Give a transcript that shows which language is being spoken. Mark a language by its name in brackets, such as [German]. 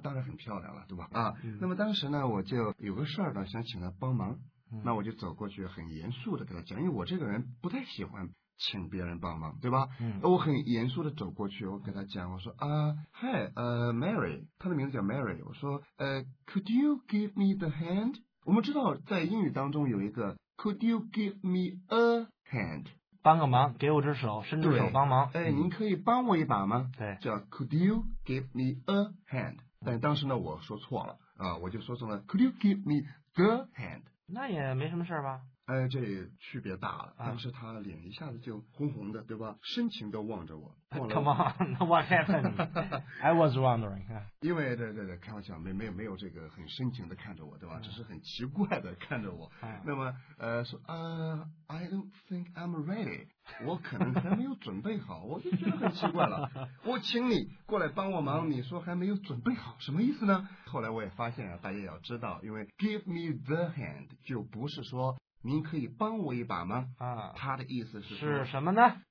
[Chinese] 当然很漂亮了，对吧，那么当时呢我就有个事儿呢想请她帮忙，那我就走过去很严肃的跟她讲，因为我这个人不太喜欢请别人帮忙，对吧，我很严肃的走过去，我跟她讲，我说啊，嗨，Mary, 她的名字叫 Mary, 我说 [English] could you give me the hand? [Chinese] 我们知道在英语当中有一个 [English] could you give me a hand, [Chinese] 帮个忙，给我只手，伸出手帮忙，您可以帮我一把吗？对，叫 [English] could you give me a hand, [Chinese] 但当时呢我说错了啊，我就说成了 [English] could you give me the hand, [Chinese] 那也没什么事吧，哎，这区别大了。当时他脸一下子就红红的，对吧？深情地望着我。 [English] Come on, what happened? I was wondering. [Chinese] 因为对，开玩笑，没有这个很深情地看着我，对吧？只是很奇怪地看着我。那么说 [English] I don't think I'm ready. [Chinese] 我可能还没有准备好，我就觉得很奇怪了。我请你过来帮我忙，你说还没有准备好，什么意思呢？后来我也发现啊，大家要知道，因为 [English] give me the hand [Chinese] 就不是说。您可以帮我一把吗？啊，他的意思是什么呢？